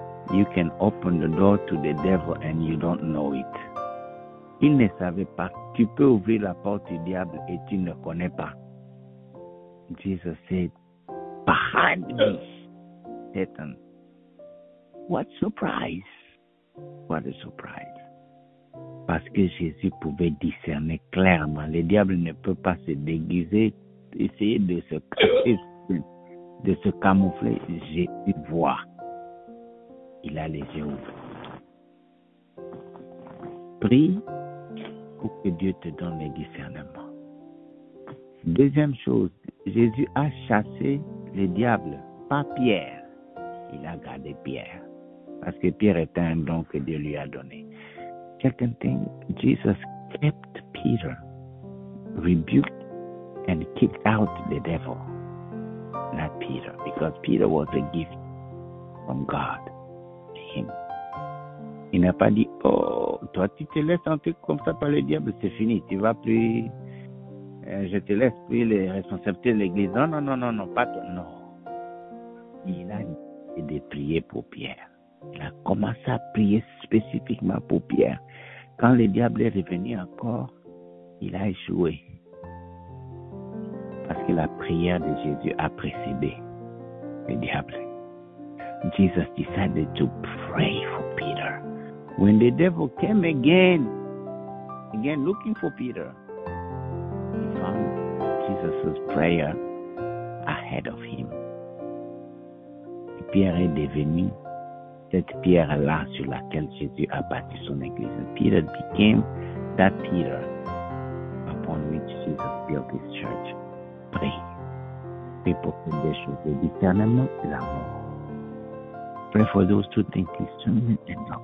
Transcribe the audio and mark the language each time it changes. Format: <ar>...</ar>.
<en>You can open the door to the devil and you don't know it.</en> <fr>Il ne savait pas. Tu peux ouvrir la porte du diable et tu ne connais pas.</fr> <en>Jesus said, behind me, Satan. What surprise! What a surprise!</en> <fr>Parce que Jésus pouvait discerner clairement. Le diable ne peut pas se déguiser, essayer de se cacher, de se camoufler. Jésus voit. Il a les yeux ouverts. Prie pour que Dieu te donne le discernement. Deuxième chose, Jésus a chassé le diable, pas Pierre. Il a gardé Pierre. Parce que Pierre était un don que Dieu lui a donné.</fr> <en>Second thing, Jesus kept Peter, rebuked, and kicked out the devil. Not Peter, because Peter was a gift from God to him.</en> <fr>Il n'a pas dit, oh, toi tu te laisses entrer comme ça par le diable, c'est fini, tu vas plus, je te laisse plus les responsabilités de l'église. Non, pas toi, non. Il a décidé de prier pour Pierre. Il a commencé à prier spécifiquement pour Pierre. Quand le diable est revenu encore, il a échoué. Parce que la prière de Jésus a précédé le diable.</fr> <en>Jesus decided to pray for Peter. When the devil came again looking for Peter, he found Jesus' prayer ahead of him.</en> <fr>Et Pierre est devenu cette pierre-là sur laquelle Jésus a bâti son église.</fr> <en>Peter became that Peter upon which Jesus built his church.</en> <fr>Pray pour toutes les choses, le discernement et l'amour.</fr> <en>Pray for those two things, discernment and love.</en>